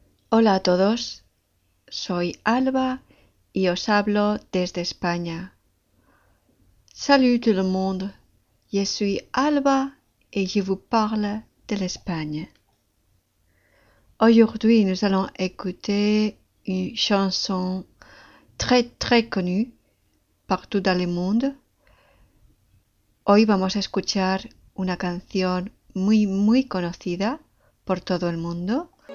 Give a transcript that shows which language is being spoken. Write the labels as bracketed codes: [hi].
[es] Hola a todos, soy Alba y os hablo desde España. [fr] Salut tout le monde, je suis Alba et je vous parle de l'Espagne. Aujourd'hui, nous allons écouter une chanson très très connue partout dans le monde. [es] Hoy vamos a escuchar una canción muy muy conocida por todo el mundo.